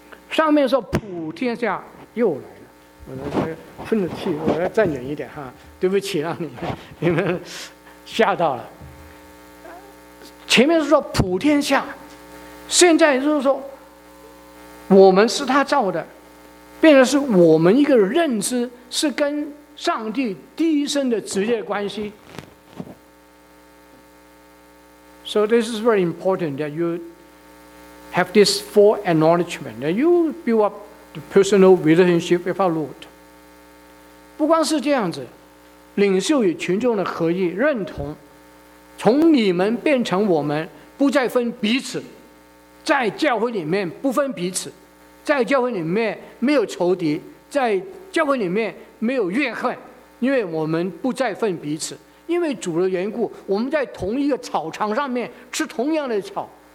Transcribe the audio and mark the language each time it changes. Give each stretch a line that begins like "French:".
Chinese: 上面说普天下，又来了，我来喷着气，我来站远一点哈，对不起，让你们吓到了。前面是说普天下，现在就是说我们是他造的，变成是我们一个认知是跟上帝第一声的直接关系。
English: So this is very important that you have this full acknowledgement that you build up the personal relationship with our Lord。
Chinese: 不光是这样子，领袖与群众的合一认同，从你们变成我们，不再分彼此，在教会里面不分彼此，在教会里面没有仇敌，在教会里面没有怨恨，因为我们不再分彼此，因为主的缘故，我们在同一个草场上面吃同样的草。